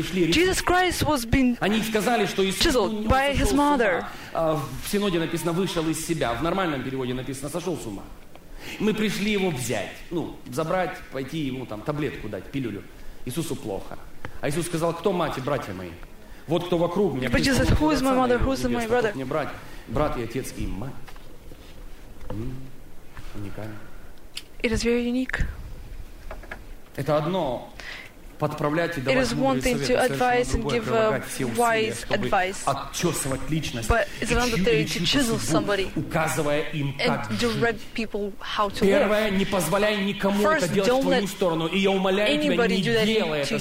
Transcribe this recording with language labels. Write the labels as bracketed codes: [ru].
[en] Jesus Christ was being chiseled by his mother. [ru] В синоде написано «вышел из себя», в нормальном переводе написано «сошел с ума». Мы пришли его взять, ну, забрать, пойти ему там таблетку дать, пилюлю. Иисусу плохо. А Иисус сказал, кто мать и братья мои? Вот кто вокруг меня. [en] But Jesus, who is my mother, who is my brother? [ru] Мне брат и отец и мать. Уникально. [en] It is very unique. [ru] Это одно. Подправлять и давать мудрые советы. [en] It is one thing to advise and give wise advice. [ru] Отчесывать личность. [en] But it's another thing to chisel somebody. [ru] Указывая им, как жить. [en] And direct people how to live. [ru] Первое, не позволяй никому это делать в твою сторону. И я умоляю тебя, не делай это с людьми.